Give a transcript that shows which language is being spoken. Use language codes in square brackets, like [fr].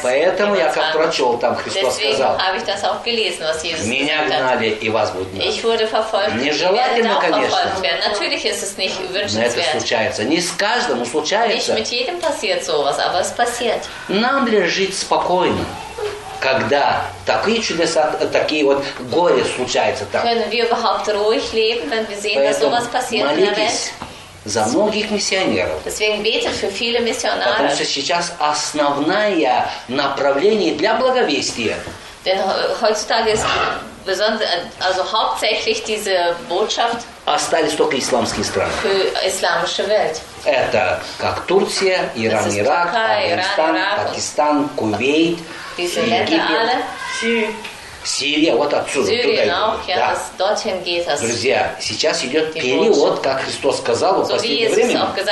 [ru] Поэтому я как прочел там, Христос сказал. [de] Habe ich das auch gelesen, was Jesus [ru] меня гнали, [de] hat. [ru] И вас будут гнать. [de] Ich wurde verfolgt. [ru] Нежелательно, конечно. [de] Natürlich ist es nicht wünschenswert. [ru] Но это случается. Не с каждым, но случается. [de] Nicht mit jedem passiert sowas, aber es passiert. [ru] Нам ли жить спокойно, когда такие чудеса, такие вот горе случаются там? [de] Können wir überhaupt ruhig leben, wenn wir sehen, [ru] поэтому [de] dass sowas passiert in der Welt? [ru] За многих миссионеров. [de] Deswegen betet für viele Missionare. [ru] Потому что сейчас основное направление для благовестия. [de] Denn heutzutage ist besonders, also hauptsächlich diese Botschaft. [ru] Остались только исламские страны. [de] Für islamische Welt. [ru] Это как Турция, Иран, Ирак, Афганистан, Пакистан, Кувейт, Египет, Сирия, вот отсюда, [de] Syrien [ru] туда идет. Да. Друзья, сейчас идет период, как Христос сказал, в последнее время.